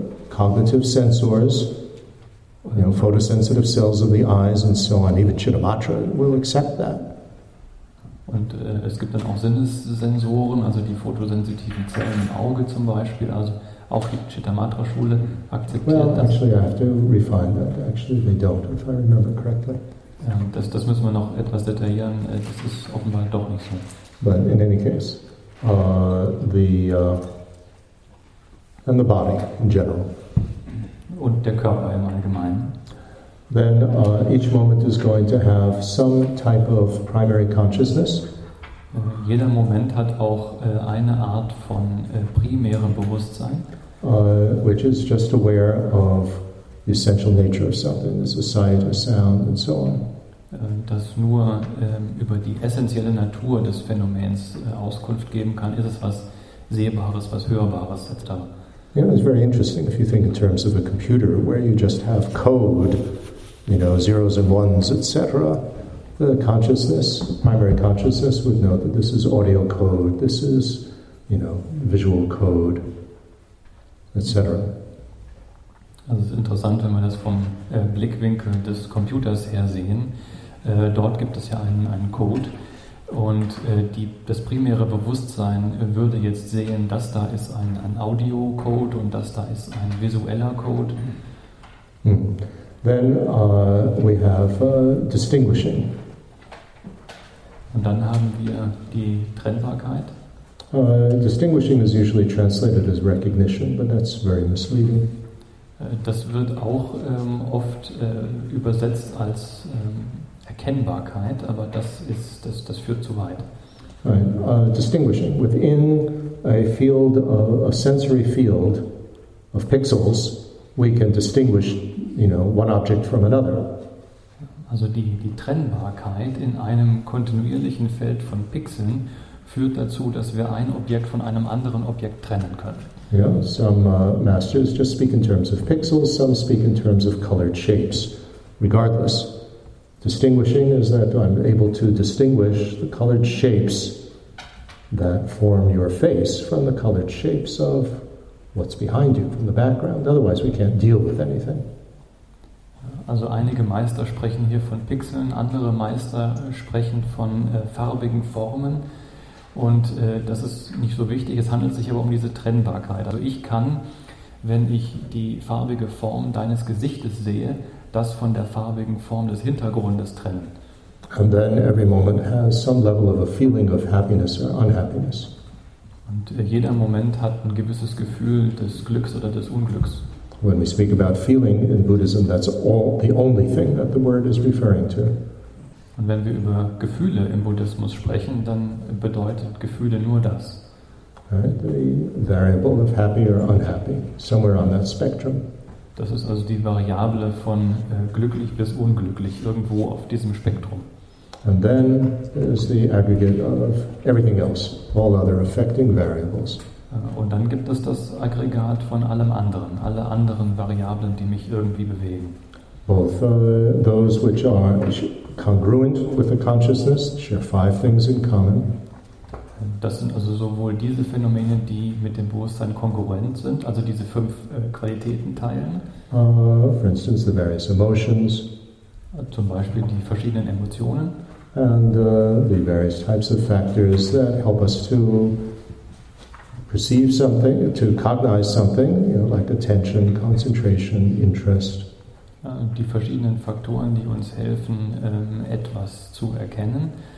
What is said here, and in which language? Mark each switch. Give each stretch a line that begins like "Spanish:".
English: Cognitive sensors, you know, photosensitive cells of the eyes and so on. Even Chittamatra will accept that.
German: Und es gibt dann auch Sinnessensoren, also die photosensitiven Zellen im Auge zum Beispiel. Also auch die Chittamatra-Schule akzeptiert
English: das. Well, actually, I have to refine that. Actually, they don't, if I remember correctly.
German: Das müssen wir noch etwas detaillieren. Das ist offenbar doch nicht so.
English: But in any case, and the body in general.
German: Und der Körper im Allgemeinen.
English: Then each moment is going to have some type of primary consciousness.
German: Jeder Moment hat auch eine Art von primärem Bewusstsein.
English: Which is just aware of the essential nature of something. This is sight, a sound, and so on.
German: Das nur über die essentielle Natur des Phänomens Auskunft geben kann. Ist es was Sehbares, was Hörbares, etc.?
English: You know, it's very interesting if you think in terms of a computer where you just have code, you know, zeros and ones, etc. The consciousness, primary consciousness, would know that this is audio code, this is, you know, visual code, etc.
German: Also es ist interessant, wenn wir das vom Blickwinkel des Computers her sehen. Dort gibt es ja einen Code. Und das primäre Bewusstsein würde jetzt sehen, dass da ist ein Audio-Code und dass da ist ein visueller Code.
English: Then we have distinguishing.
German: Und dann haben wir die Trennbarkeit.
English: Distinguishing is usually translated as recognition, but that's very misleading.
German: Das wird auch oft übersetzt als Erkennbarkeit, aber das führt zu weit.
English: Right. Distinguishing within a field, a sensory field of pixels, we can distinguish, you know, one object from another.
German: Also die Trennbarkeit in einem kontinuierlichen Feld von Pixeln führt dazu, dass wir ein Objekt von einem anderen Objekt trennen können.
English: Yeah, some masters just speak in terms of pixels. Some speak in terms of colored shapes. Regardless. Distinguishing is that I'm able to distinguish the colored shapes that form your face from the colored shapes of what's behind you, from the background. Otherwise we can't deal with anything.
German: Also einige Meister sprechen hier von Pixeln, andere Meister sprechen von farbigen Formen. Und das ist nicht so wichtig, es handelt sich aber um diese Trennbarkeit. Also ich kann, wenn ich die farbige Form deines Gesichtes sehe, das von der farbigen Form des Hintergrundes trennen.
English: And then every moment has some level of a feeling of happiness or unhappiness.
German: Und jeder Moment hat ein gewisses Gefühl des Glücks oder des Unglücks.
English: When we speak about feeling in Buddhism, that's all the only thing that the word is referring to.
German: Und wenn wir über Gefühle im Buddhismus sprechen, dann bedeutet Gefühle nur das.
English: Right, the variable of happy or unhappy, somewhere on that spectrum.
German: Das ist also die Variable von glücklich bis unglücklich, irgendwo auf diesem Spektrum.
English: And then there's the aggregate of everything else, all other affecting variables.
German: Und dann gibt es das Aggregat von allem anderen, alle anderen Variablen, die mich irgendwie bewegen.
English: Both those which are congruent with the consciousness share five things in common.
German: Das sind also sowohl diese Phänomene, die mit dem Bewusstsein kongruent sind, also diese fünf Qualitäten teilen.
English: For instance, the various emotions.
German: Zum Beispiel die verschiedenen Emotionen.
English: And the various types of factors that help us to perceive something, to cognize something, you know, like attention, concentration, interest.
German: Die verschiedenen Faktoren, die uns helfen, etwas zu erkennen.